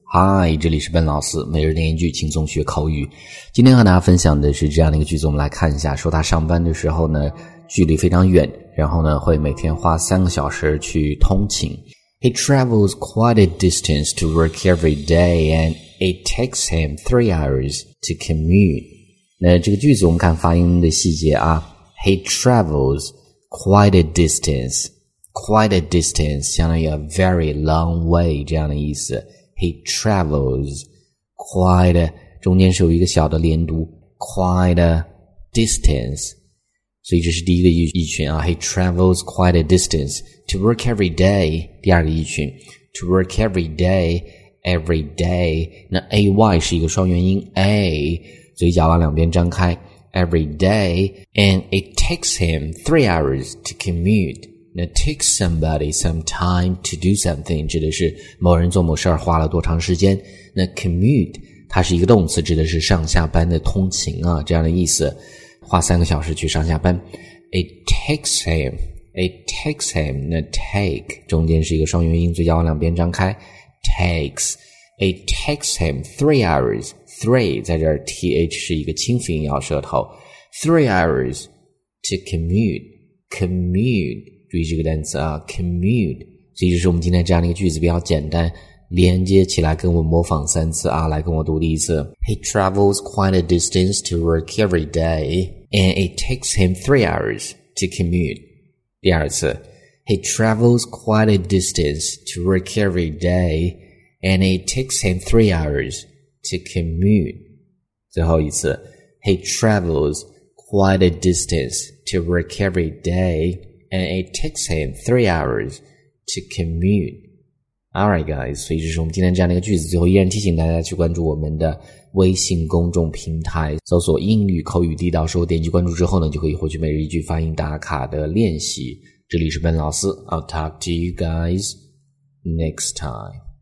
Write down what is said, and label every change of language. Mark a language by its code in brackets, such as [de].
[zh] 嗨，这里是Ben老师，每日练一句，轻松学口语。今天和大家分享的是这样的一个句子，我们来看一下，说他上班的时候呢，距离非常远，然后呢，会每天花三个小时去通勤。 [en] He travels quite a distance to work every day, and it takes him 3 hours to commute. [zh] 那这个句子我们看发音的细节啊。 [en] He travels quite a distance. Quite a distance, [zh] 相当于 [en] a very long way, [zh] 这样的意思。 [en] He travels quite a, [zh] 中间是有一个小的连读 [en] quite a distance. [zh] 所以这是第一个意群啊。 [en] He travels quite a distance to work every day. [zh] 第二个意群 [en] to work every day, every day. [zh] 那 AY 是一个双元音 A, 所以咬牙两边张开 [en] every day, and it takes him 3 hours to commute. It takes somebody some time to do something, [zh] 指的是某人做某事花了多长时间。那 commute, 它是一个动词，指的是上下班的通勤啊，这样的意思。花三个小时去上下班。 [en] It takes him, [zh] 那 take, 中间是一个双元音，嘴角往两边张开。 [en] Takes, it takes him 3 hours, three, [zh] 在这儿 th 是一个清辅音咬舌头。 [en] 3 hours to commute, [zh] 注意这个单词啊 ,commute, 所以这是我们今天这样的一个句子比较简单连接起来跟我模仿三次啊来跟我读第一次。 [en] He travels quite a distance to work every day, and it takes him 3 hours to commute. [zh] 第二次。 [en] He travels quite a distance to work every day, and it takes him 3 hours to commute. [zh] 最后一次。 [en] He travels quite a distance to work every day,And it takes him 3 hours to commute. Alright guys, [zh] 所以这是我们今天这样的一个句子。最后依然提醒大家去关注我们的微信公众平台，搜索英语口语地道说，点击关注之后呢，就可以获取每日一句发音打卡的练习。这里是Ben老师， [en] I'll talk to you guys next time.